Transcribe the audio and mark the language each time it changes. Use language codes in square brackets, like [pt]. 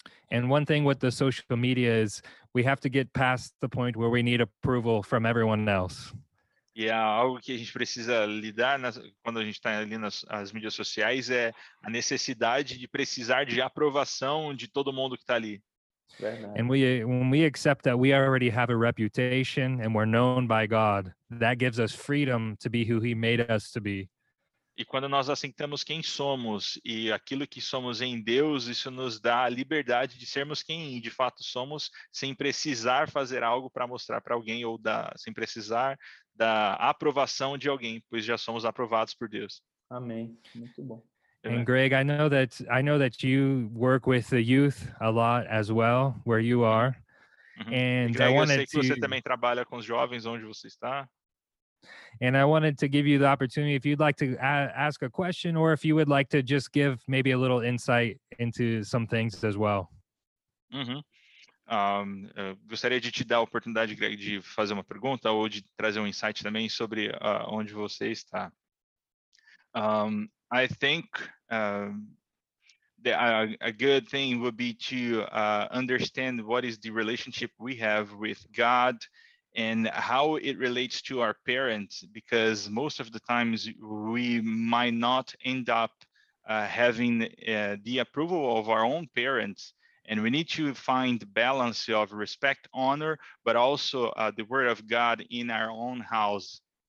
[en] And one thing with the social media is we have to get past the point where we need approval from everyone else. [pt] E é algo que a gente precisa lidar quando a gente está ali nas mídias sociais, é a necessidade de precisar de aprovação de todo mundo que está ali. Verdade. [en] And when we accept that we already have a reputation and we're known by God, that gives us freedom to be who He made us to be. [pt] E quando nós aceitamos quem somos e aquilo que somos em Deus, isso nos dá a liberdade de sermos quem de fato somos, sem precisar fazer algo para mostrar para alguém ou sem precisar da aprovação de alguém, pois já somos aprovados por Deus. Amém. Muito bom. [en] And Greg, I know that you work with the youth a lot as well, where you are. Uh-huh. And Greg, I wanted [pt] eu sei que [en] to... [pt] você também trabalha com os jovens onde você está. [en] And I wanted to give you the opportunity, if you'd like to ask a question, or if you would like to just give maybe a little insight into some things as well. Uh-huh. [pt] Gostaria de te dar a oportunidade, Greg, de fazer uma pergunta ou de trazer um insight também sobre onde você está. [en] I think a good thing would be to understand what is the relationship we have with God and how it relates to our parents, because most of the times we might not end up having the approval of our own parents, and we need to find balance of respect, honor, but also the word of God in our own house.